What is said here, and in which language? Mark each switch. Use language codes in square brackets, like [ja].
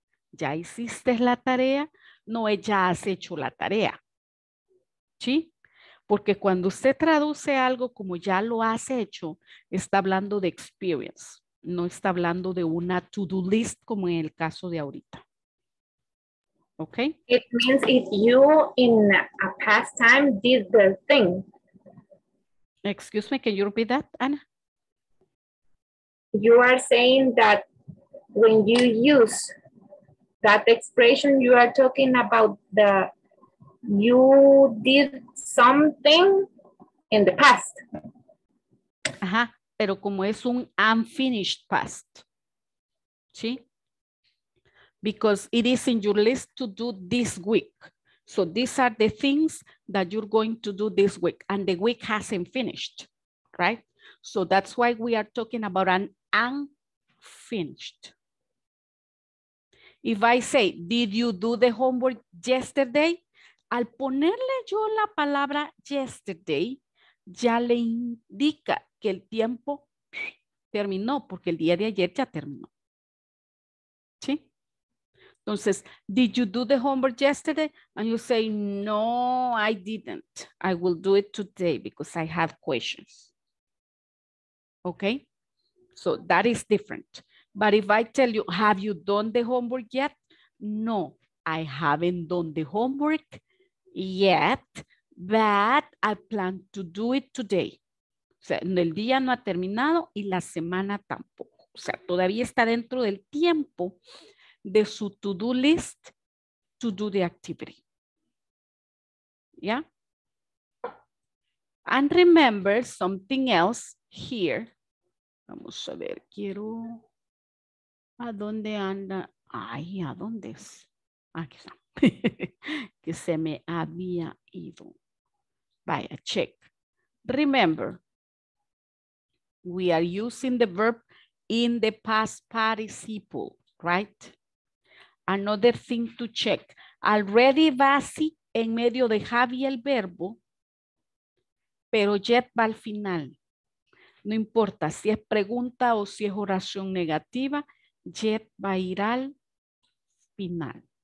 [es] ¿Ya hiciste la tarea? No, ya has hecho la tarea. ¿Sí? Porque cuando usted traduce algo como ya lo has hecho, está hablando de experience. No está hablando de una to-do list como en el caso de ahorita. [en] ¿Ok? It means if you in a past time did the thing. Excuse me, can you repeat that, Anna? You are saying that when you use that expression, you are talking about the you did something in the past. [es] Ajá, pero como es un [en] unfinished past. [es] ¿Sí? [en] Because it is in your list to do this week. So these are the things that you're going to do this week. And the week hasn't finished, right? So that's why we are talking about an unfinished. If I say, did you do the homework yesterday? [es] Al ponerle yo la palabra yesterday, ya le indica que el tiempo terminó, porque el día de ayer ya terminó. ¿Sí? Entonces, [en] did you do the homework yesterday? And you say, no, I didn't. I will do it today because I have questions. Okay? So that is different. But if I tell you, have you done the homework yet? No, I haven't done the homework yet, but I plan to do it today. [es] O sea, el día no ha terminado y la semana tampoco. O sea, todavía está dentro del tiempo de su to-do list [en] to do the activity. Yeah? And remember something else here. [es] Vamos a ver, quiero... ¿A dónde anda? Ay, ¿a dónde es? Aquí está. Que se me había ido. Vaya, check. [en] Remember, we are using the verb in the past participle, right? Another thing to check. [es] Already basi en medio de have y el verbo, pero yet va al final. No importa si es pregunta o si es oración negativa, yet va a ir al final.